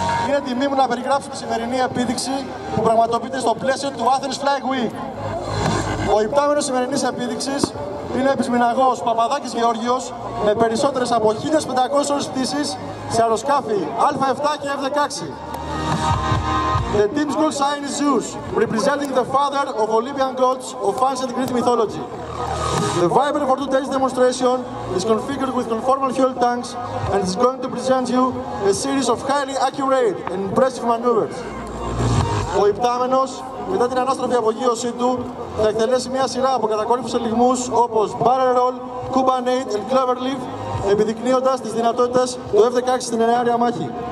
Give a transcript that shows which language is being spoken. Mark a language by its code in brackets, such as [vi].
[el] είναι τιμή μου να περιγράψω τη σημερινή επίδειξη που πραγματοποιείται στο πλαίσιο του Athens Flag Week. Ο υπτάμενος σημερινής επίδειξης είναι επισμηναγός Παπαδάκης Γεώργιος με περισσότερες από 1.500 ώρες πτήσης σε αεροσκάφη Α7 και F16. [en] The team's gold sign is Zeus, representing the father of Olympian gods of ancient Greek mythology. The Viper for today's demonstration is configured with conformal fuel tanks and is going to present you a series of highly accurate and impressive maneuvers. [el] Ο υπτάμενος, μετά την ανάστροφη απογείωσή του, θα εκτελέσει μια σειρά από κατακόρυφους ελιγμούς όπως [en] Barrel Roll, Kubanate and Cloverleaf, [el] επιδεικνύοντας τις δυνατότητες του F-16 στην ενάρια μάχη.